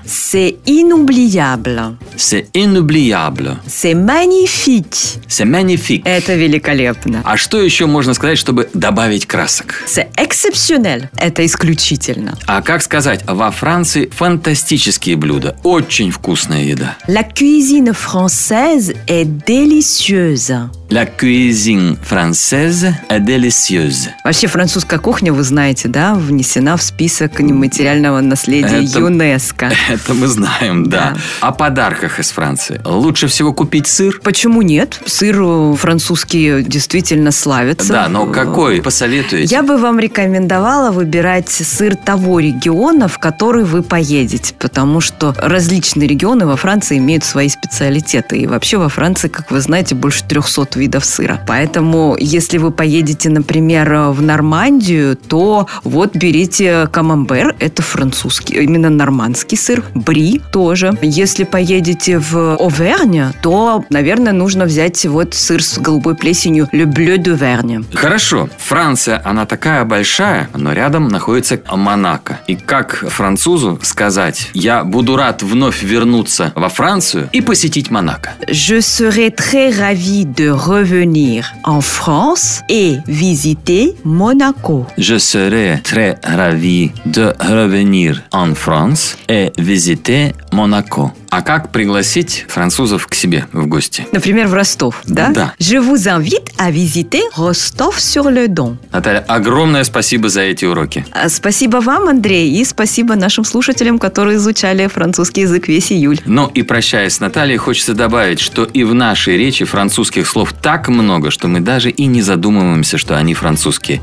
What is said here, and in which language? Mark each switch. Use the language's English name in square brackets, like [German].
[French] C'est inoubliable. C'est inoubliable. C'est magnifique. C'est magnifique. [Russian] Это великолепно. А что еще можно сказать, чтобы добавить красок? [French] C'est exceptionnel. [Russian] Это исключительно. А как сказать, во Франции фантастические блюда, очень вкусная еда. [French] La cuisine française est délicieuse. La cuisine française est délicieuse. [Russian] Вообще, французская кухня, вы знаете, да, внесена в список нематериального наследия ЮНЕСКО. Это мы знаем, да. О подарках из Франции. Лучше всего купить сыр? Почему нет? Сыр французский действительно славится. Да, но какой посоветуете? Я бы вам рекомендовала выбирать сыр того региона, в который вы поедете, потому что различные регионы во Франции имеют свои специалитеты. И вообще во Франции, как вы знаете, больше 300 видов сыра. Поэтому, если вы поедете, например, в Нормандию, то вот берите камамбер, это французский, именно нормандский сыр, бри тоже. Если поедете в Овернь, то, наверное, нужно взять вот сыр с голубой плесенью Le Bleu d'Auvergne. Хорошо, Франция, она такая большая, но рядом находится Монако. И как французу сказать, я буду рад вновь вернуться во Францию и посетить Монако? [French] Je serai très ravi de revenir en France et visiter Monaco. Je serai très ravi de revenir en France et visiter Monaco. [Russian] А как пригласить французов к себе в гости? Например, в Ростов, да? Да. [French] Je vous invite à visiter Ростов-sur-le-Don. [Russian] Наталья, огромное спасибо за эти уроки. Спасибо вам, Андрей, и спасибо нашим слушателям, которые изучали французский язык весь июль. Ну и прощаясь с Натальей, хочется добавить, что и в нашей речи французских слов так много, что мы даже и не задумываемся, что они французские.